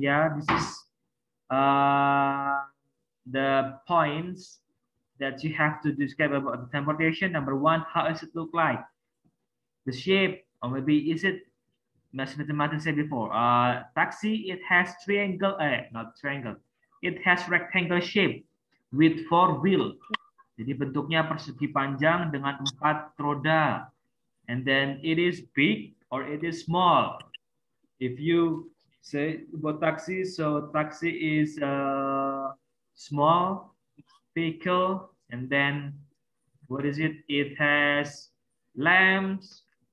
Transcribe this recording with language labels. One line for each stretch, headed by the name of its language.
English: Yeah, this is the points that you have to describe about the transportation. Number one, how does it look like? The shape, or maybe is it, as Mr. Martin said before, taxi, it has triangle, not triangle. It has rectangle shape with four wheels.
Indonesian: Jadi bentuknya persegi panjang dengan empat roda.
English: And then it is big or it is small. If you say about taxi, so taxi is a small vehicle. And then what is it? It has lamps.